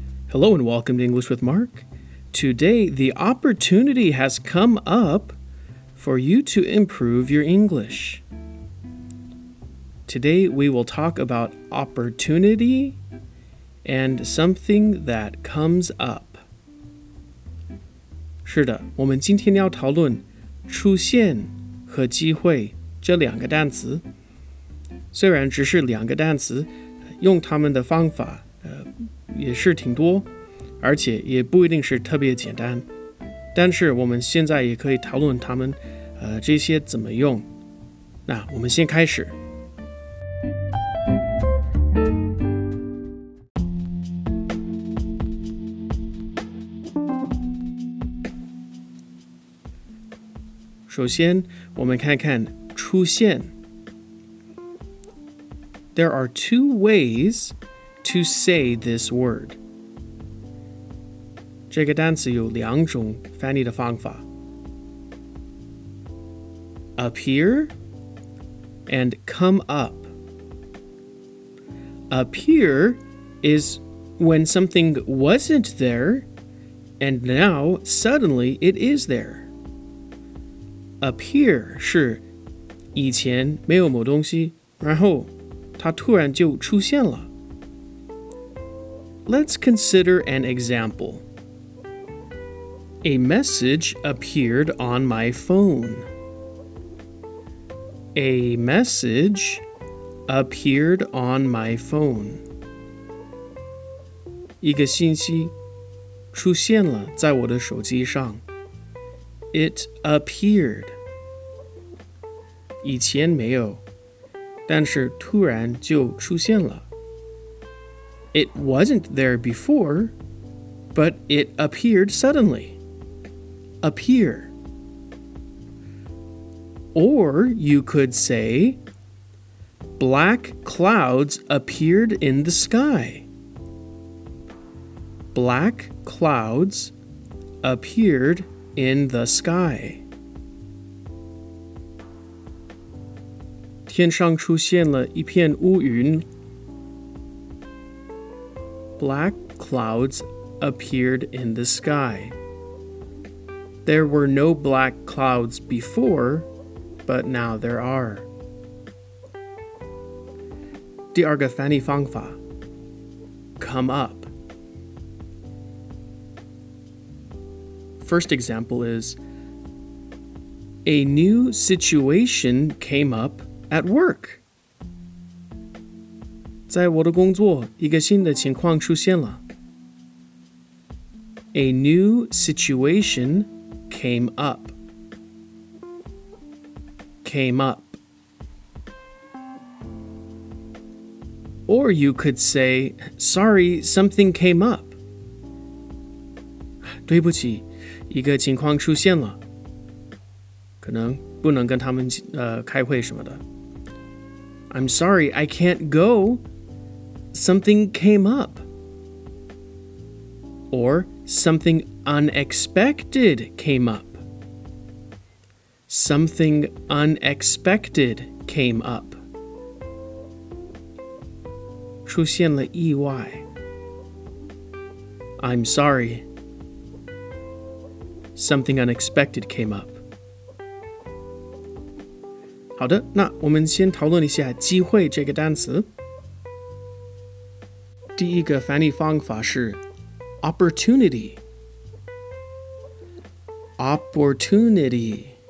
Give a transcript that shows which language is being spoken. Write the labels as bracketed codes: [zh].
[en] Hello and welcome to English with Mark. Today, the opportunity has come up for you to improve your English. Today, we will talk about opportunity and something that comes up. [zh] 是的，我们今天要讨论出现和机会这两个单词。虽然只是两个单词，用它们的方法也是挺多，而且也不一定是特别简单，但是我们现在也可以讨论他们这些怎么用。那我们先开始。首先我们看看出现。 [en] There are two ways to say this word. [zh] 这个单词有两种翻译的方法。 [en] Appear and come up. Appear is when something wasn't there and now suddenly it is there. [zh] Appear 是以前没有某东西，然后它突然就出现了。 [en] Let's consider an example. A message appeared on my phone. A message appeared on my phone. [zh] 一个信息出现了在我的手机上。 [en] It appeared. [zh] 以前没有，但是突然就出现了。 [en] It wasn't there before, but it appeared suddenly. Appear. Or you could say, black clouds appeared in the sky. Black clouds appeared in the sky. [zh] 天上出现了一片乌云。 [en] Black clouds appeared in the sky. There were no black clouds before, but now there are. [zh] 第二个翻译方法 [en] Come up. First example is, A new situation came up at work. [zh] 在我的工作，一个新的情况出现了。 [en] A new situation... Came up. Came up. Or you could say, sorry, something came up. [zh] 对不起，一个情况出现了。可能不能跟他们开会什么的。 [en] I'm sorry, I can't go. Something came up. Or something unexpected came up. Something unexpected came up. [zh] 出现了意外。 [en] I'm sorry. Something unexpected came up. [zh] 好的，那我们先讨论一下机会这个单词。第一个翻译方法是 opportunity. [en] Opportunity.